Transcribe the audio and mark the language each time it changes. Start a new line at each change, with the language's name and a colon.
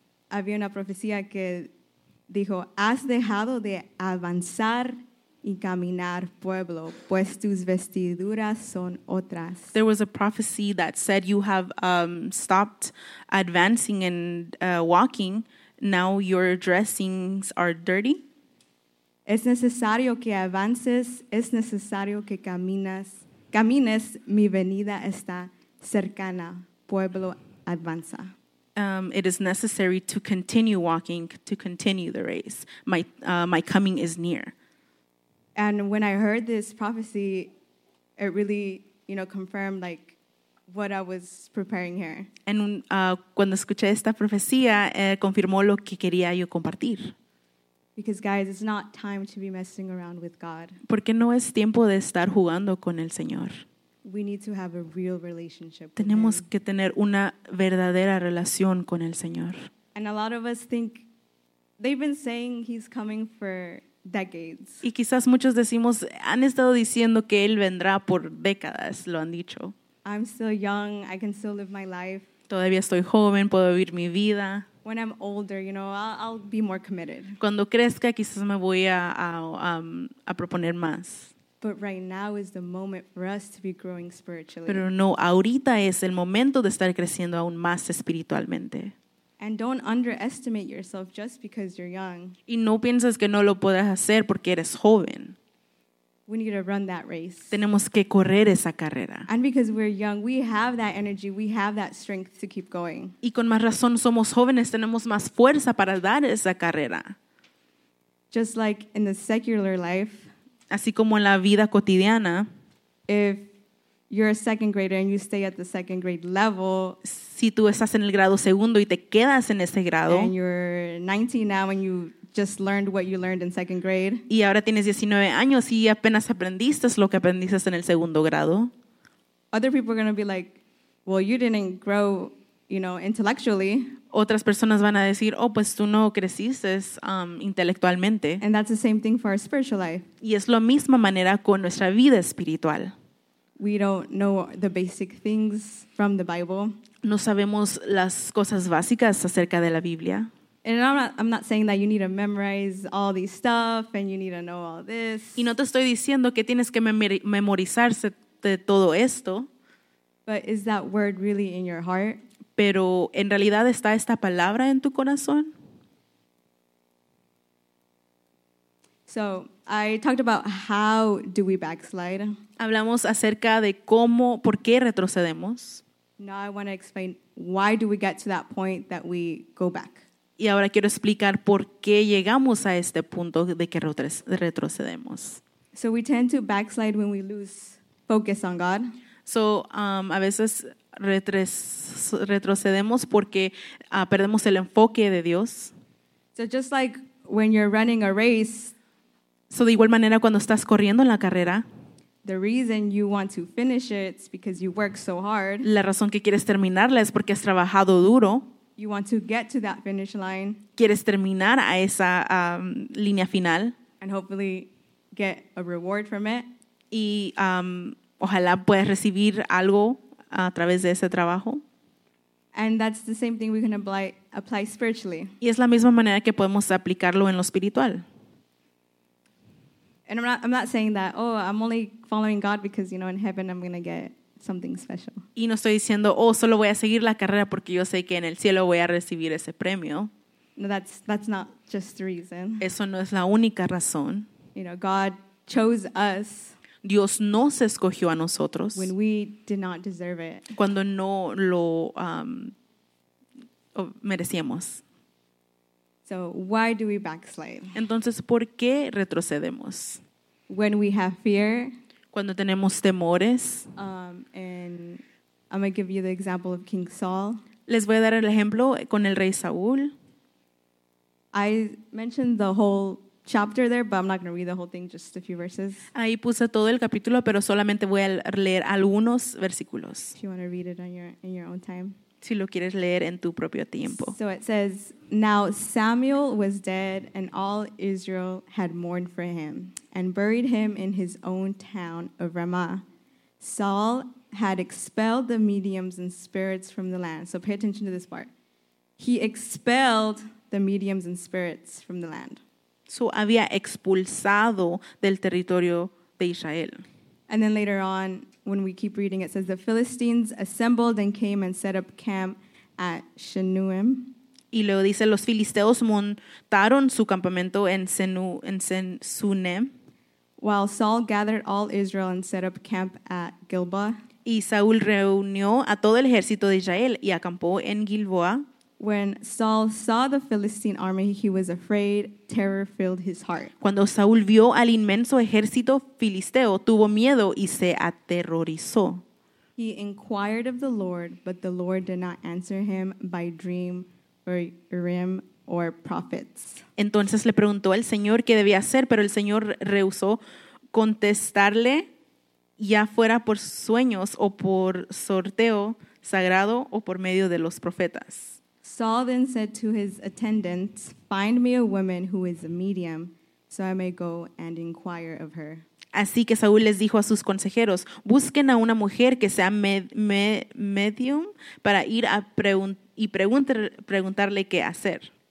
Spanish: Había una profecía que dijo, has dejado de avanzar y caminar, pueblo, pues tus vestiduras son otras.
English: There was a prophecy that said you have stopped advancing and walking. Now your dressings are dirty.
Spanish: Es necesario que avances, es necesario que camines, mi venida está cercana, pueblo, avanza.
English: It is necessary to continue walking, to continue the race. My coming is near. And when I heard this prophecy, it really, you know, confirmed like what I was preparing here.
Spanish: And cuando escuché esta profecía, confirmó lo que quería yo compartir.
English: Because guys, it's not time to be messing around with God.
Spanish: Porque no es tiempo de estar jugando con el Señor.
English: We need to have a real relationship.
Spanish: Tenemos que tener una verdadera relación con el Señor.
English: And a lot of us think they've been saying he's coming for decades.
Spanish: Y quizás muchos decimos han estado diciendo que él vendrá por décadas, lo han dicho.
English: I'm still young, I can still live my life.
Spanish: Todavía estoy joven, puedo vivir mi vida.
English: When I'm older, you know, I'll be more committed.
Spanish: Cuando crezca quizás me voy a proponer más.
English: But right now is the moment for us to be growing spiritually.
Spanish: Pero no, ahorita es el momento de estar creciendo aún más espiritualmente.
English: And don't underestimate yourself just because you're young.
Spanish: Y no pienses que no lo podrás hacer porque eres joven.
English: We need to run that race.
Spanish: Tenemos que correr esa carrera.
English: And because we're young, we have that energy, we have that strength to keep going.
Spanish: Y con más razón somos jóvenes, tenemos más fuerza para dar esa carrera.
English: Just like in the secular life.
Spanish: Así como en la vida cotidiana.
English: If you're a second grader and you stay at the second grade level.
Spanish: Si tú estás en el grado segundo y te quedas en ese grado.
English: And you're 19 now and you just learned what you learned in second grade.
Spanish: Y ahora tienes 19 años y apenas aprendiste lo que aprendiste en el segundo grado.
English: Other people are going to be like, well, you didn't grow you know, intellectually.
Spanish: Otras personas van a decir, oh, pues tú no creciste intelectualmente.
English: And that's the same thing for our spiritual life.
Spanish: Y es la misma manera con nuestra vida espiritual.
English: We don't know the basic things from the Bible.
Spanish: No sabemos las cosas básicas acerca de la Biblia.
English: And I'm not saying that you need to memorize all this stuff and you need to know all this.
Spanish: Y no te estoy diciendo que tienes que memorizarse de todo esto.
English: But is that word really in your heart?
Spanish: Pero en realidad está esta palabra en tu corazón.
English: So I talked about how do we backslide.
Spanish: Hablamos acerca de cómo, por qué retrocedemos.
English: Now I want to explain why do we get to that point that we go back.
Spanish: Y ahora quiero explicar por qué llegamos a este punto de que retrocedemos.
English: So we tend to backslide when we lose focus on God.
Spanish: So a veces retrocedemos porque perdemos el enfoque de Dios.
English: So just like when you're running a race.
Spanish: So de igual manera cuando estás corriendo en la carrera.
English: The reason you want to finish it is because you work so hard.
Spanish: La razón que quieres terminarla es porque has trabajado duro.
English: You want to get to that finish line.
Spanish: Quieres terminar a esa línea final.
English: And hopefully get a reward from it.
Spanish: Y ojalá puedas recibir algo a través de ese trabajo.
English: And that's the same thing we can apply spiritually.
Spanish: Y es la misma manera que podemos aplicarlo en lo espiritual.
English: And I'm not saying that, oh, I'm only following God because, you know, in heaven I'm going to get something special.
Spanish: Y no estoy diciendo, oh, solo voy a seguir la carrera porque yo sé que en el cielo voy a recibir ese premio.
English: No, that's not just the reason.
Spanish: Eso no es la única razón.
English: You know, God chose us.
Spanish: Dios nos escogió a nosotros.
English: When we did not deserve it.
Spanish: Cuando no lo merecíamos.
English: So why do we backslide?
Spanish: Entonces, ¿por qué retrocedemos?
English: When we have fear.
Spanish: Cuando tenemos temores.
English: And I'm going to give you the example of King Saul.
Spanish: Les voy a dar el ejemplo con el rey Saúl.
English: I mentioned the whole chapter there, but I'm not going to read the whole thing, just a few verses.
Spanish: Ahí puse todo el capítulo, pero solamente voy a leer algunos versículos.
English: If you want to read it in your own time.
Spanish: Si lo quieres leer en tu propio tiempo.
English: So it says, now Samuel was dead and all Israel had mourned for him and buried him in his own town of Ramah. Saul had expelled the mediums and spirits from the land. So pay attention to this part. He expelled the mediums and spirits from the land.
Spanish: So había expulsado del territorio de Israel.
English: And then later on, when we keep reading, it says, the Philistines assembled and came and set up camp at Shunem.
Spanish: Y luego dice, los filisteos montaron su campamento en Shunem.
English: While Saul gathered all Israel and set up camp at Gilboa.
Spanish: Y Saúl reunió a todo el ejército de Israel y acampó en Gilboa.
English: When Saul saw the Philistine army, he was afraid, terror filled his heart.
Spanish: Cuando Saúl vio al inmenso ejército filisteo, tuvo miedo y se aterrorizó.
English: He inquired of the Lord, but the Lord did not answer him by dream or Urim or prophets.
Spanish: Entonces le preguntó al Señor qué debía hacer, pero el Señor rehusó contestarle, ya fuera por sueños o por sorteo sagrado o por medio de los profetas.
English: Saul then said to his attendants, find me a woman who is a medium, so I may go and inquire of her.
Spanish: Así que Saúl les dijo a sus consejeros, busquen a una mujer que sea medium para ir a preguntarle qué hacer.